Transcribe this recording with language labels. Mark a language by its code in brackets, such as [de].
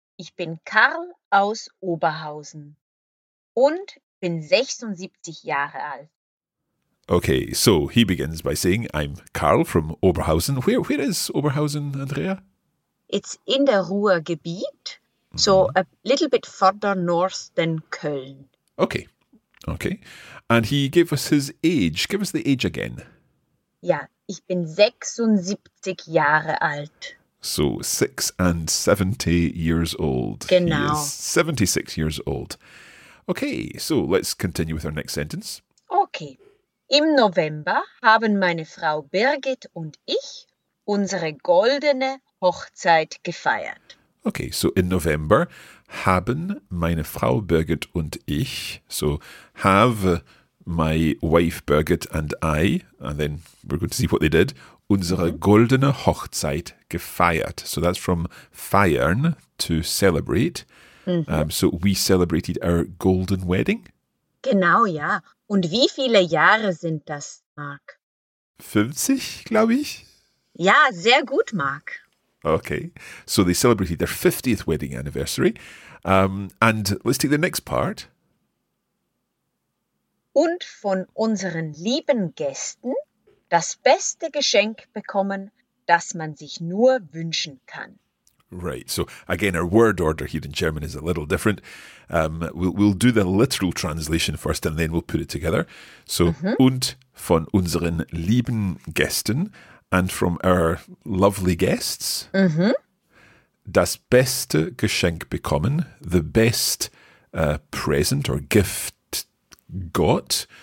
[de] Ich bin Karl aus Oberhausen und bin 76 Jahre alt. [en] Okay, so he begins by saying, I'm Karl from Oberhausen. Where is Oberhausen, Andrea? It's in the Ruhrgebiet, so a little bit further north than Köln. Okay. Okay. And he gave us his age. Give us the age again. [de] Ja, ich bin 76 Jahre alt. [en] So, 76 years old. [de] Genau. [en] He is 76 years old. Okay, so let's continue with our next sentence. Okay. [de] Im November haben meine Frau Birgit und ich unsere goldene Hochzeit gefeiert. [en] Okay, so in November [de] haben meine Frau Birgit und ich, [en] so have my wife Birgit and I, and then we're going to see what they did, [de] unsere goldene Hochzeit gefeiert. [en] So that's from feiern, to celebrate. Mm-hmm. So we celebrated our golden wedding. [de] Genau, ja. Und wie viele Jahre sind das, Mark? 50, glaube ich. Ja, sehr gut, Mark. [en] Okay, so they celebrated their 50th wedding anniversary. And let's take the next part. [de] Und von unseren lieben Gästen das beste Geschenk bekommen, das man sich nur wünschen kann. [en] Right, so again, our word order here in German is a little different. We'll do the literal translation first and then we'll put it together. So, [de] und von unseren lieben Gästen, [en] and from our lovely guests, [de] das beste Geschenk bekommen, [en] the best present or gift got.